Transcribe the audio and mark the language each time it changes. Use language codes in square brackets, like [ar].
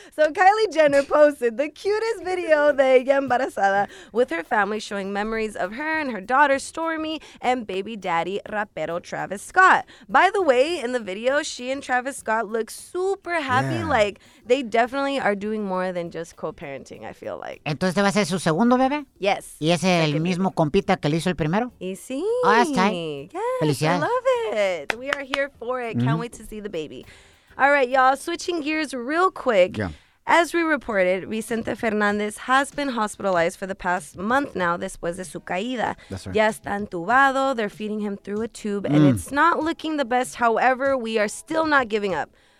[en] So Kylie Jenner posted the cutest video [es] de ella embarazada [en] with her family showing memories of her and her daughter Stormy and baby daddy rapero Travis Scott. By the way, in the video, she and Travis Scott look super happy. Yeah. Like, they definitely are doing more than just co-parenting, I feel like. [es] ¿Entonces te va a ser su segundo bebé? [en] Yes. [es] ¿Y es el mismo compita que le hizo el primero? Y sí. [en] Oh, that's tight. Yes. [es] Felicidades. [en] I love it. We are here for it. Mm-hmm. Can't wait to see the baby. All right, y'all. Switching gears real quick. Yeah. As we reported, Vicente Fernández has been hospitalized for the past month now [es] después de su caída. [en] That's right. [es] Ya está entubado. [en] They're feeding him through a tube, and it's not looking the best. However, we are still not giving up.